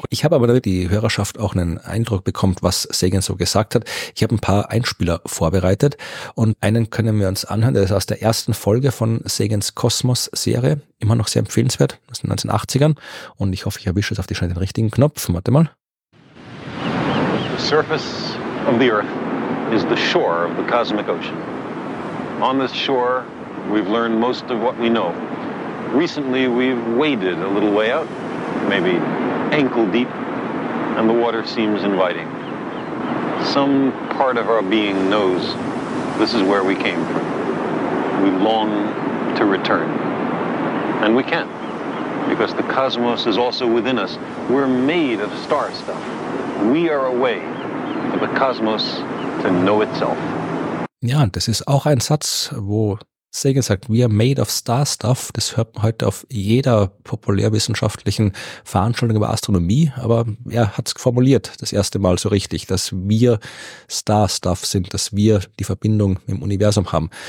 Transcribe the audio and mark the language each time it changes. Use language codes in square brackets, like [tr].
[de] Ich habe aber, damit die Hörerschaft auch einen Eindruck bekommt, was Sagan so gesagt hat, ich habe ein paar Einspieler vorbereitet und einen können wir uns anhören. Der ist aus der ersten Folge von Sagans Kosmos-Serie. Immer noch sehr empfehlenswert, aus den 1980ern. Und ich hoffe, ich erwische jetzt auf die Schnelle den richtigen Knopf. Warte mal. [en] The surface of the Earth is the shore of the cosmic ocean. On this shore, we've learned most of what we know. Recently, we've waded a little way out. Maybe ankle deep, and the water seems inviting. Some part of our being knows this is where we came from. We long to return, and we can't, because the cosmos is also within us. We're made of star stuff. We are a way for the cosmos to know itself. [de] Ja, und das ist auch ein Satz, wo Sagan sagt, [en] we are made of star stuff. [de] Das hört man heute auf jeder populärwissenschaftlichen Veranstaltung über Astronomie. Aber er hat es formuliert das erste Mal so richtig, dass wir star stuff sind, dass wir die Verbindung im Universum haben.